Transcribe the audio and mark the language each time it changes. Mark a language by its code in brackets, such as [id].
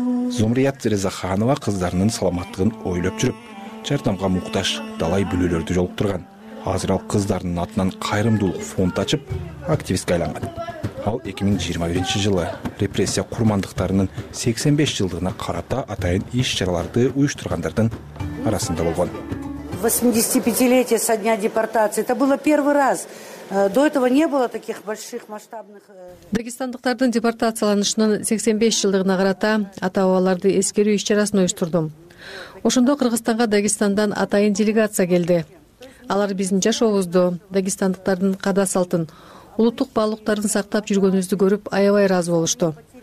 [ky] Зумрият Резаханова кыздарынын саламаттыгын ойлоп жүрүп, жардамга муктаж далай бүлөлөрдү жолуктурган. Азыр ал кыздарынын атынан кайрымдуулук фонд ачып, активистке айланган. Ал 2021 жылы репрессия курмандыктарынын 85 жылдыгына карата атайын иш-чараларды уюштургандардын арасында болгон. [ru] 85-летие со дня депортации. Это было первый раз. До этого не было таких больших масштабных. [ky] Дагестандыктардын депортацияланышынын 85 жылдыгына карата ата-бабаларды эскерүү иш-чарасын уюштурдум. Ошондо Кыргызстанга Дагестандан атайын делегация келди. Алар биздин жашообузду, дагестандыктардын када салтын, улуттук баалуулуктарын сактап жүргөнүбүздү көрүп аябай ыраазы болушту.